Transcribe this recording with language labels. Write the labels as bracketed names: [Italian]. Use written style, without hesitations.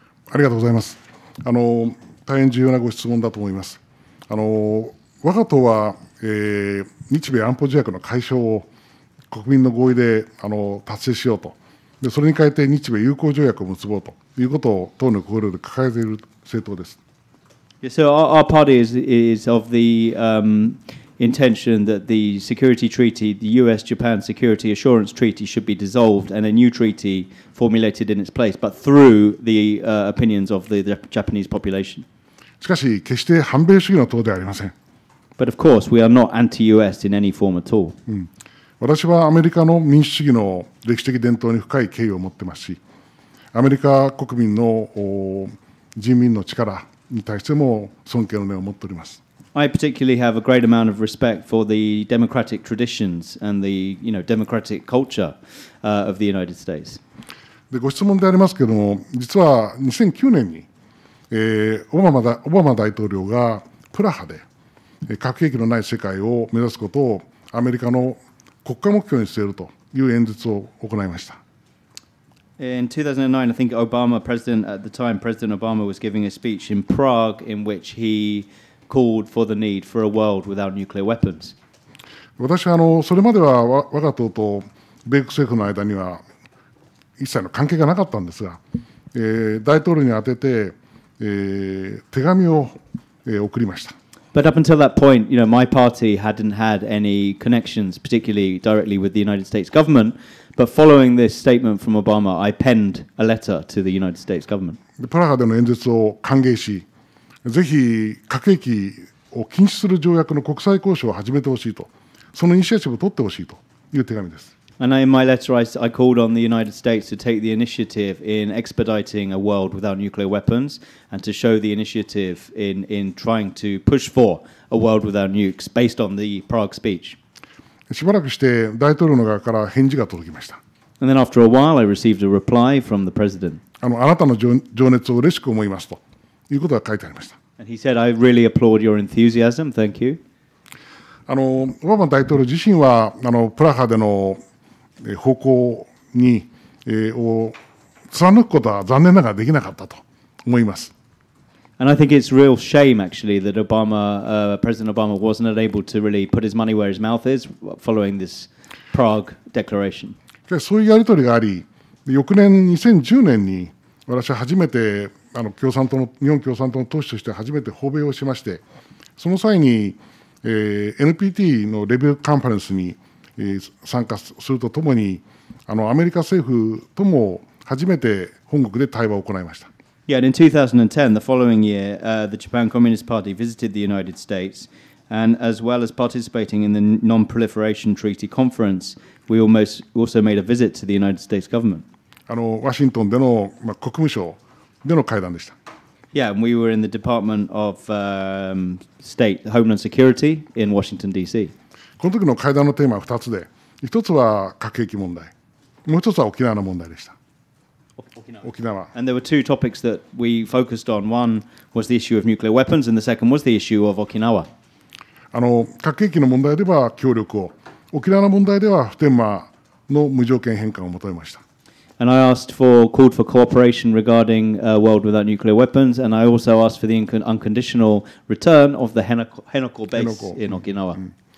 [Japanese] ありがとうございます。大変重要なご質問だと思います。我が党は、日米安保条約の解消を国民の合意で達成しようと、でそれに代えて日米友好条約を結ぼうということを党の心で抱えている政党です。 [English] Yeah, so our party is of the intention that the security treaty, the US-Japan Security Assurance Treaty, should be dissolved and a new treaty formulated in its place, but through the opinions of the Japanese population. [Japanese] しかし決して反米主義の党ではありません。 [English] But of course, we are not anti-US in any form at all. [Japanese] 私はアメリカの民主主義の歴史的伝統に深い敬意を持ってますし、アメリカ国民の人民の力に対しても尊敬の念を持っております。 [English] I particularly have a great amount of respect for the democratic traditions and the, democratic culture of the United States. [Japanese] で、ご質問でありますけれども、実は2009年に、オバマ大統領がプラハで核兵器のない世界を目指すことをアメリカの国家目標にしているという演説を行いました。 [English] In 2009, I think Obama, President at the time, President Obama was giving a speech in Prague in which he called for the need for a world without nuclear weapons. [Japanese] 私はそれまでは我が党と米国政府の間には一切の関係がなかったんですが、大統領に宛てて、手紙を、送りました。 [English] But up until that point, you know, my party hadn't had any connections, particularly directly with the United States government. But following this statement from Obama, I penned a letter to the United States government. [Japanese] プラハでの演説を歓迎し、ぜひ核兵器を禁止する条約の国際交渉を始めてほしいと、そのイニシアチブを取ってほしいという手紙です。 [English] And in my letter, I called on the United States to take the initiative in expediting a world without nuclear weapons and to show the initiative in trying to push for a world without nukes based on the Prague speech. [Japanese] しばらくして大統領の側から返事が届きました。 [English] And then after a while, I received a reply from the president. [Japanese] あなたの情熱を嬉しく思いますということが書いてありました。 [English] And he said, I really applaud your enthusiasm. Thank you. [Japanese] オバマ大統領自身はプラハでの方向に、を貫くことは残念ながらできなかったと思います。 [English] And I think it's real shame actually that Obama, President Obama wasn't able to really put his money where his mouth is following this Prague declaration. [Japanese] そういうやり取りがあり、翌年2010年に私は初めて共産党の日本共産党の党首として初めて訪米をしまして、その際に、NPT のレビューカンファレンスに参加するとともに、アメリカ政府とも初めて本国で対話を行いました。 [English] Yeah, and in 2010, the following year, the Japan Communist Party visited the United States, and as well as participating in the Non-Proliferation Treaty Conference, we also made a visit to the United States government. [Japanese] ワシントンでの、まあ、国務省での会談でした。 [English] Yeah, and we were in the Department of State Homeland Security in Washington, D.C. [Japanese] この時の会談のテーマは2つで、1つは核兵器問題、もう1つは沖縄の問題でした。沖縄。 [English] And there were two topics that we focused on. One was the issue of nuclear weapons, and the second was the issue of Okinawa. [Japanese] 核兵器の問題では協力を、沖縄の問題では普天間の無条件返還を求めました。 [English] And I asked for, called for cooperation regarding a world without nuclear weapons, and I also asked for the unconditional return of the Henoko base in Okinawa.